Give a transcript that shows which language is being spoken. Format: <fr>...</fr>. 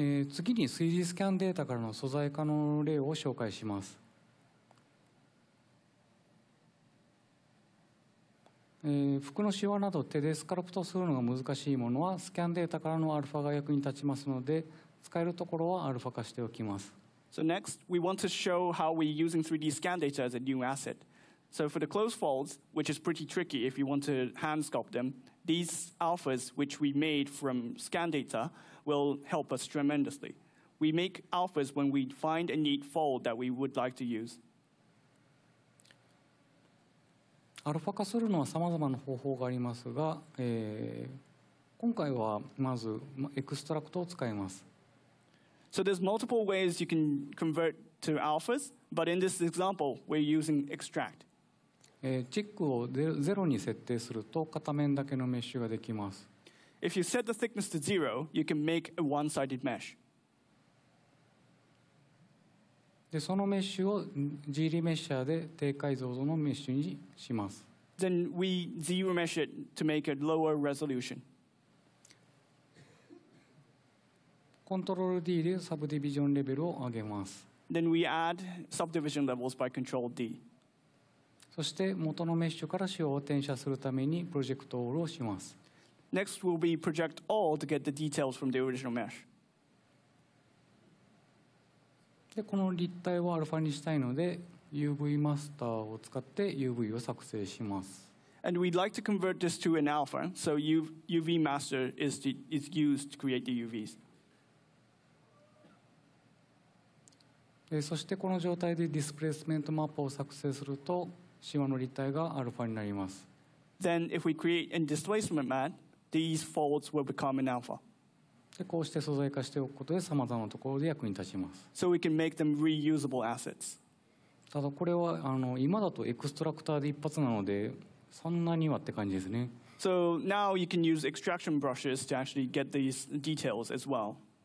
<ja>次に 3D スキャンデータからの素材化の例を紹介します。服のシワなど手でスカルプトするのが難しいものはスキャンデータからのアルファが役に立ちますので使えるところはアルファ化しておきます。</ja> <en>So next we want to show how we're using 3D scan data as a new asset. So for the closed folds, which is pretty tricky if you want to hand sculpt them, these alphas which we made from scan data will help us tremendously. We make alphas when we find a neat fold that we would like to use.</en> <ja>アルファ化するのはさまざまな方法がありますが、今回はまずエクストラクトを使います。</ja> <en>So there's multiple ways you can convert to alphas, but in this example, we're using extract.</en> <ja>チックをゼロに設定すると片面だけのメッシュができます。</ja> <en>If you set the thickness to zero, you can make a one-sided mesh.</en> <ja>でそのメッシュを G リメッシャーで低解像度のメッシュにします。</ja> <en>Then we Z-remesh it to make a lower resolution.</en> <ja>コントロール D でサブディビジョンレベルを上げます。</ja> <en>Then we add subdivision levels by control D.</en> <ja>そして元のメッシュからシワを転写するためにプロジェクトオールをします。</ja> <en>Next will be project all to get the details from the original mesh.</en> <ja>でこの立体をアルファにしたいので UV マスターを使って UV を作成します。</ja> <en>And we'd like to convert this to an alpha, so UV master is used to create the UVs.</en> <ja>でそしてこの状態でディスプレイスメントマップを作成するとシワの立体がアルファになります。</ja> <en>Then if we create a displacement map, these folds will become an alpha.</en> <ja>でこうして素材化しておくことでさまざまなところで役に立ちます。</ja> <en>So we can make them reusable assets.</en> <ja>ただこれは今だとエクストラクターで一発なのでそんなにはって感じですね。</ja> <en>So now you can use extraction brushes to actually get these details as well.</en>